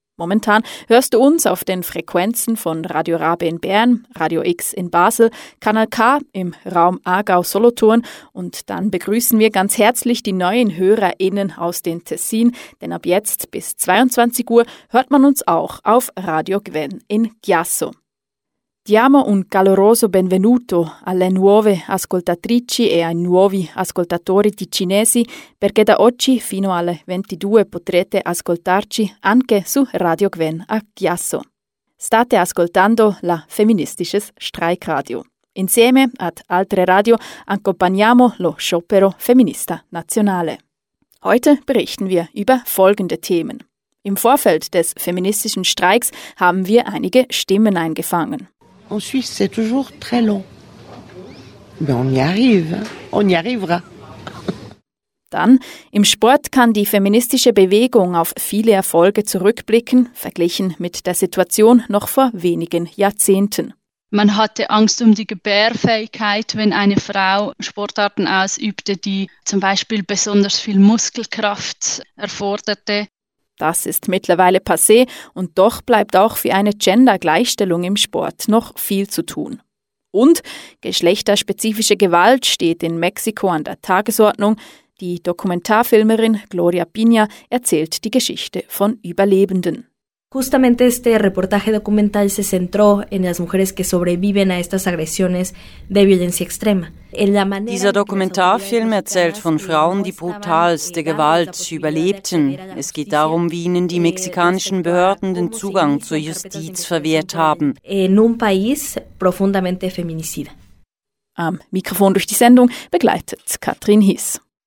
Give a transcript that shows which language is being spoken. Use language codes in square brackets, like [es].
[de] Momentan hörst du uns auf den Frequenzen von Radio Rabe in Bern, Radio X in Basel, Kanal K im Raum Aargau-Solothurn und dann begrüßen wir ganz herzlich die neuen HörerInnen aus den Tessin, denn ab jetzt bis 22 Uhr hört man uns auch auf Radio Gwen in Chiasso. [it] Diamo un caloroso benvenuto alle nuove ascoltatrici e ai nuovi ascoltatori ticinesi, perché da oggi fino alle 22 potrete ascoltarci anche su Radio Gwen a Chiasso. State ascoltando la Feministisches Streikradio. Insieme ad altre radio accompagniamo lo sciopero femminista nazionale. [de] Heute berichten wir über folgende Themen. Im Vorfeld des feministischen Streiks haben wir einige Stimmen eingefangen. [fr] En Suisse, c'est toujours très long. Mais on y arrive, on y arrivera. [de] Dann, im Sport kann die feministische Bewegung auf viele Erfolge zurückblicken, verglichen mit der Situation noch vor wenigen Jahrzehnten. Man hatte Angst um die Gebärfähigkeit, wenn eine Frau Sportarten ausübte, die zum Beispiel besonders viel Muskelkraft erforderte. Das ist mittlerweile passé und doch bleibt auch für eine Gender-Gleichstellung im Sport noch viel zu tun. Und geschlechterspezifische Gewalt steht in Mexiko an der Tagesordnung. Die Dokumentarfilmerin Gloria Piña erzählt die Geschichte von Überlebenden. [es] Justamente este reportaje documental se centró en las mujeres que sobreviven a estas agresiones de violencia extrema. [de] Dieser Dokumentarfilm erzählt von Frauen, die brutalste Gewalt überlebten. Es geht darum, wie ihnen die mexikanischen Behörden den Zugang zur Justiz verwehrt haben. [es] En un país profundamente feminicida. [de] Am Mikrofon durch die Sendung begleitet Katrin Hiss.